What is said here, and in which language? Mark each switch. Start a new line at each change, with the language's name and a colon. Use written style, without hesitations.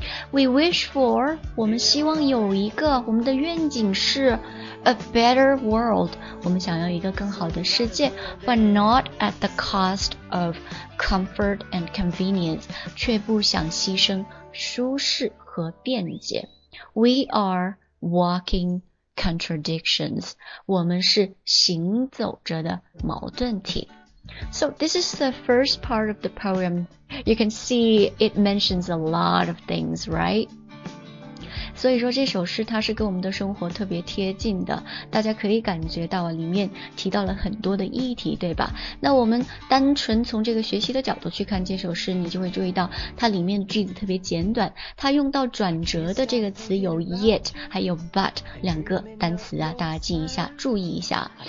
English: We wish for，
Chinese: 我们希望有一个，我们的愿景是
English: a better world，
Chinese: 我们想要一个更好的世界 ，
English: but not at the cost of comfort and convenience，
Chinese: 却不想牺牲舒适和便捷。
English: We are walking. Contradictions.
Chinese: 我们是行走着的矛盾体。
English: So this is the first part of the poem. You can see it mentions a lot of things, right?
Chinese: 所以说这首诗它是跟我们的生活特别贴近的，大家可以感觉到里面提到了很多的议题，对吧？那我们单纯从这个学习的角度去看这首诗，你就会注意到它里面句子特别简短，它用到转折的这个词有 yet 还有 but 两个单词啊，大家记一下，注意一下。